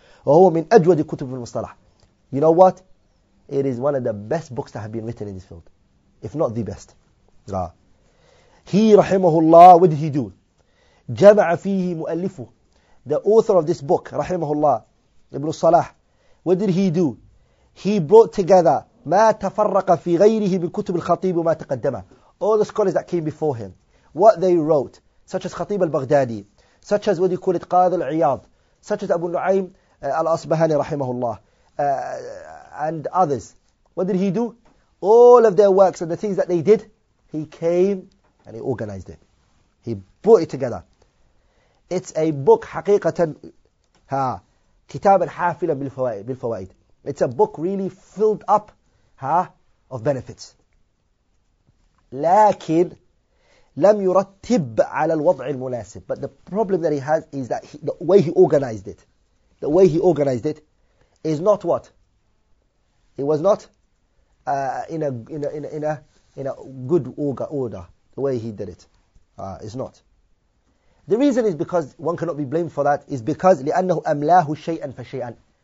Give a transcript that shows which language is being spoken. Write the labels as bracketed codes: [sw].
[ar] وَهُوَ مِنْ أَجْوَدِ كُتُبِ الْمُصْطَلَحِ. [en] You know what? It is one of the best books that have been written in this field. If not the best. He, رحمه الله, what did he do? [ar] جَمَعَ فِيهِ مُؤَلِّفُ. [en] The author of this book, رحمه الله, Ibn Salah, what did he do? He brought together [ar] ما تفرق في غيره من كتب الخطيب وما تقدمه. [en] All the scholars that came before him, what they wrote, such as Khatib al-Baghdadi, such as what you call it, Qadi al-Iyad, such as Abu Nu'aym al-Asbahani rahimahullah, and others. What did he do? All of their works and the things that they did, he came and he organized it. He brought it together. It's a book, [ar] حقيقةً, كتاباً حافلاً بالفوائد. [en] It's a book really filled up of benefits. [ar] لكن لم يرتب على الوضع المناسب. [en] But the problem that he has is that the way he organized it is not what? It was not in a good order the way he did it. It's not. The reason is because one cannot be blamed for that is because [ar] لأنه أملاه شيئا فشيئا.